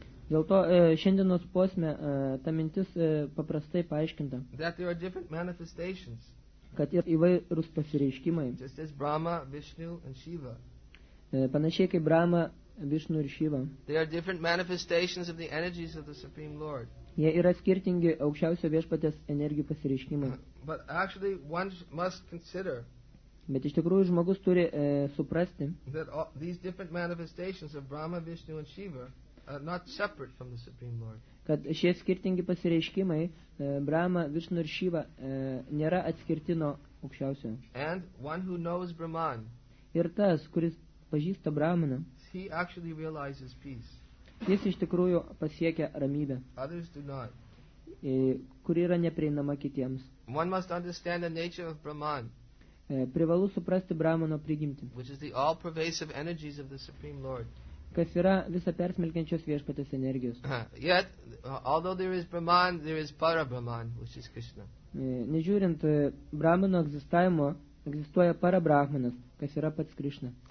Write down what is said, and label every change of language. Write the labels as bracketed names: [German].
[Lithuanian] Dėl to šiandienos posme ta mintis paprastai paaiškinta. [English] That there are different manifestations. [Lithuanian] Kad yra įvairūs pasireiškimai. [English] Just as Brahma, Vishnu and Shiva. [Lithuanian] Panašiai kaip Brahma, Vishnu ir Shiva. [English] They are different manifestations of the energies of the Supreme Lord. [Lithuanian] Jie yra skirtingi aukščiausio viešpatės energijų pasireiškimai. [English] But actually one must consider. [Lithuanian] Bet iš tikrųjų žmogus turi suprasti. [English] That all these different manifestations of Brahma, Vishnu and Shiva are not separate from the Supreme Lord. [Lithuanian] Kad šie skirtingi pasireiškimai Brahma, Vishnu ir Shiva nėra atskirti nuo aukščiausio. [English] And one who knows Brahman. [Lithuanian] Ir tas, kuris pažįsta Brahmaną. [English] He actually realizes peace. [Lithuanian] Jis iš tikrųjų pasiekia ramybę. [English] Others do not. [Lithuanian] Kuri yra neprieinama kitiems. [English] One must understand the nature of Brahman. [Lithuanian] Privalu suprasti Brahmano prigimtį. [English] Which is the all-pervasive energies of the Supreme Lord. [Lithuanian] Kas yra visą persmelkiančios viešpatės energijos. [English] Yet, although there is Brahman, there is Parabrahman, which is Krishna. [Lithuanian] Nežiūrint Brahmano egzistavimo, egzistuoja Parabrahmanas, kas yra pats Krishna.